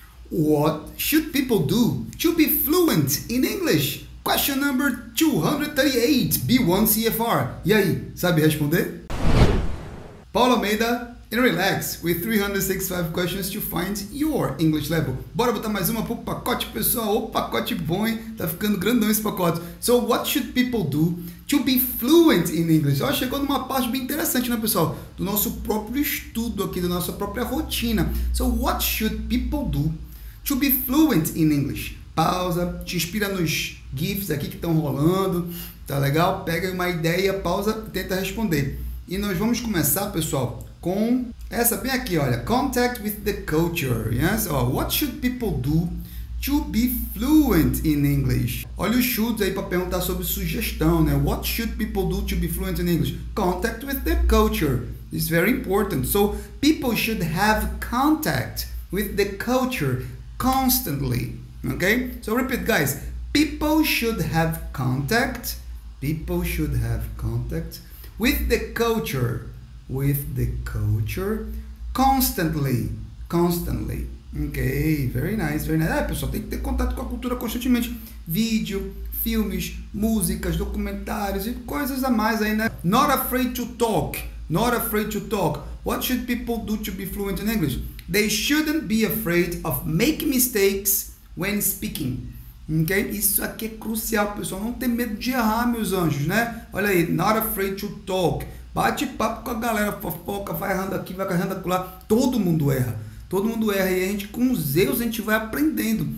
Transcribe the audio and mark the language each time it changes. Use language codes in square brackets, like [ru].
[en] What should people do to be fluent in English? Question number 238, B1 CFR. [pt] E aí, sabe responder? [en] Paulo Almeida, and relax with 365 questions to find your English level. [pt] Bora botar mais uma pro pacote, pessoal. O pacote bom, hein? Tá ficando grandão esse pacote. [en] So, what should people do to be fluent in English? [pt] Oh, chegou numa parte bem interessante, né, pessoal? Do nosso próprio estudo aqui, da nossa própria rotina. [en] So, what should people do to be fluent in English? [pt] Pausa, te inspira nos GIFs aqui que estão rolando, tá legal? Pega uma ideia, pausa, tenta responder. E nós vamos começar, pessoal, com essa bem aqui, olha. [en] Contact with the culture, yes? Oh, what should people do to be fluent in English? [pt] Olha os shoulds aí para perguntar sobre sugestão, né? [en] What should people do to be fluent in English? Contact with the culture is very important. So, people should have contact with the culture constantly, okay? So, repeat, guys. People should have contact. People should have contact with the culture. With the culture constantly. Constantly. Ok, very nice, very nice. [pt] É, pessoal, tem que ter contato com a cultura constantemente. Vídeo, filmes, músicas, documentários e coisas a mais aí, né? [en] Not afraid to talk. Not afraid to talk. What should people do to be fluent in English? They shouldn't be afraid of making mistakes when speaking. [pt] Ok? Isso aqui é crucial, pessoal. Não ter medo de errar, meus anjos, né? Olha aí, [en] not afraid to talk. [pt] Bate papo com a galera, fofoca, vai errando aqui, vai errando acolá. Todo mundo erra, e a gente, com os erros, a gente vai aprendendo.